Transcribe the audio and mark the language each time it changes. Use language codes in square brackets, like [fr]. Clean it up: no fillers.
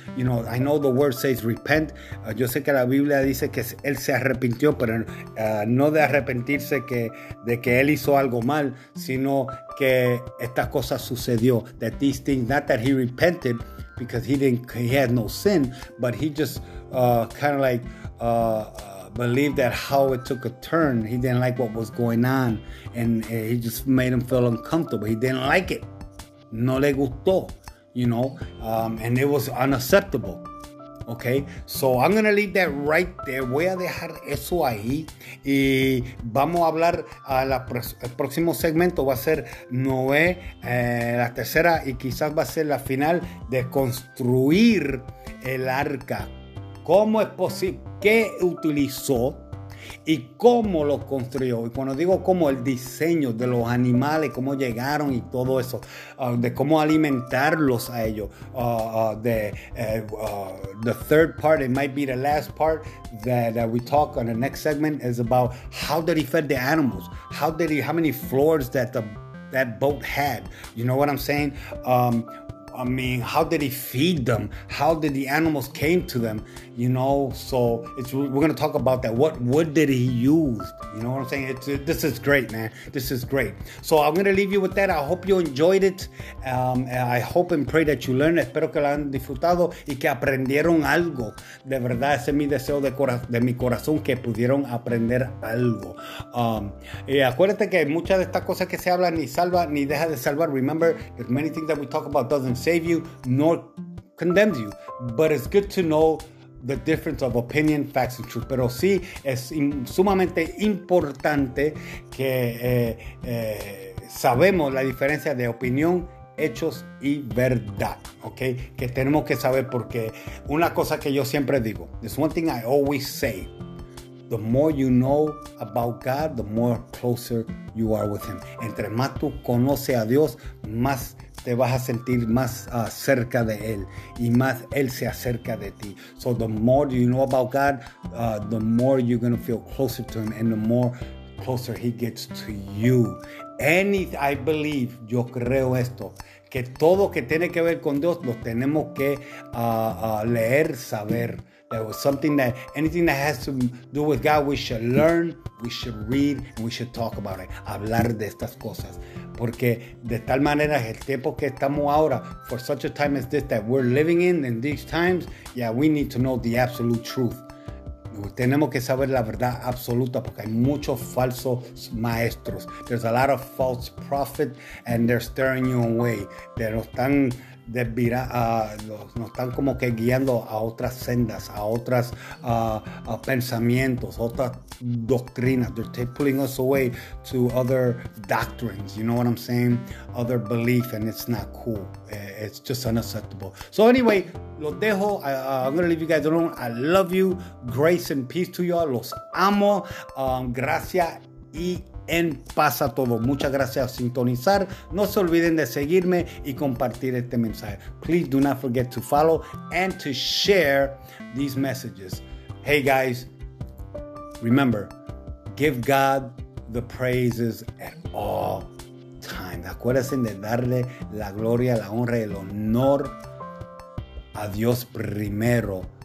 [en] You know, I know the word says repent. [es] Yo sé que la Biblia dice que él se arrepintió, pero no de arrepentirse que de que él hizo algo mal, sino que esta cosa sucedió. [en] That these things, not that he repented, because he didn't, he had no sin, but he just kind of like believed that how it took a turn. He didn't like what was going on, and he just made him feel uncomfortable. He didn't like it. [es] No le gustó, [en] you know, and it was unacceptable. Okay, so I'm going to leave that right there. [es] Voy a dejar eso ahí. Y vamos a hablar a la el próximo segmento. Va a ser Noé, la tercera, y quizás va a ser la final de construir el arca. ¿Cómo es posible? ¿Qué utilizó? ¿Y cómo lo construyó? Y cuando digo cómo, el diseño de los animales, cómo llegaron y todo eso, de cómo alimentarlos a ellos. [en] The third part, it might be the last part that we talk on the next segment, is about how did he feed the animals? How many floors that that boat had? You know what I'm saying? I mean, how did he feed them? How did the animals came to them? You know, so it's, we're going to talk about that. What wood did he use? You know what I'm saying? This is great, man. This is great. So I'm going to leave you with that. I hope you enjoyed it. I hope and pray that you learned. [es] Espero que lo han disfrutado y que aprendieron algo. De verdad, ese es mi deseo de mi corazón, que pudieron aprender algo. Y acuérdate que muchas de estas cosas que se hablan ni salva ni deja de salvar. [en] Remember, there's many things that we talk about doesn't save you nor condemns you, but it's good to know the difference of opinion, facts, and truth. [es] Pero sí es sumamente importante que sabemos la diferencia de opinión, hechos y verdad, okay? Que tenemos que saber, porque una cosa que yo siempre digo, [en] there's one thing I always say, the more you know about God, the more closer you are with Him. [es] Entre más tú conoces a Dios, más te vas a sentir más cerca de Él y más Él se acerca de ti. [en] So the more you know about God, the more you're going to feel closer to Him, and the more closer He gets to you. I believe, [es] yo creo esto, que todo que tiene que ver con Dios lo tenemos que leer, saber. [en] There was something that, anything that has to do with God, we should learn, we should read, and we should talk about it. [es] Hablar de estas cosas. Porque de tal manera el tiempo que estamos ahora, [en] for such a time as this that we're living in these times, yeah, we need to know the absolute truth. [es] Tenemos que saber la verdad absoluta, porque hay muchos falsos maestros. [en] There's a lot of false prophets, and they're steering you away. [es] Pero están nos están como que guiando a otras sendas, a otras pensamientos, otras doctrinas. [en] They're pulling us away to other doctrines, you know what I'm saying? Other belief, and it's not cool. It's just unacceptable. So anyway, [es] los dejo. [en] I'm going to leave you guys alone. I love you. Grace and peace to you all. [es] Los amo. Gracias y en paz a todos. Muchas gracias por sintonizar. No se olviden de seguirme y compartir este mensaje. [en] Please do not forget to follow and to share these messages. Hey guys, remember, give God the praises at all times. [es] Acuérdense de darle la gloria, la honra y el honor a Dios primero.